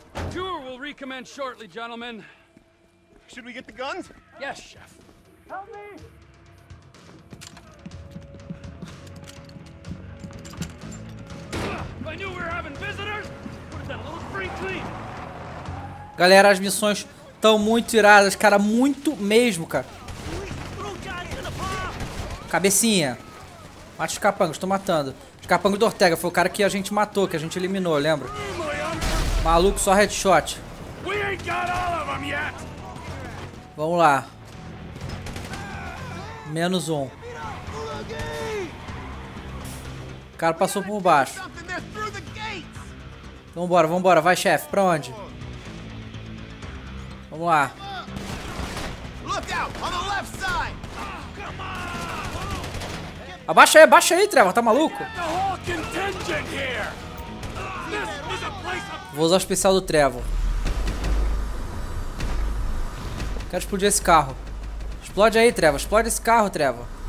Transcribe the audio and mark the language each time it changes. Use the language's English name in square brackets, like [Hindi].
[English] Tour will recommence shortly, gentlemen. Should we get the guns? Yes, chef. Help me! If I knew we were having visitors, what is that, a little free clean? [Portuguese] Galera, as missões estão muito iradas, cara, muito mesmo, cara. Cabecinha. Mate os capangos, tô matando. Os capangos do Ortega, foi o cara que a gente matou, que a gente eliminou, lembra? Maluco, só headshot. Vamos lá. Menos um. cara passou por baixo. Vambora, vambora. Vai, chefe. Pra onde? Vamos lá. [English] Look out, on the left side. [Portuguese] Abaixa aí, abaixa aí, Trevor. Tá maluco? Vou usar o especial do Trevor. Quero explodir esse carro. Explode aí, Trevor. Explode esse carro, Trevor.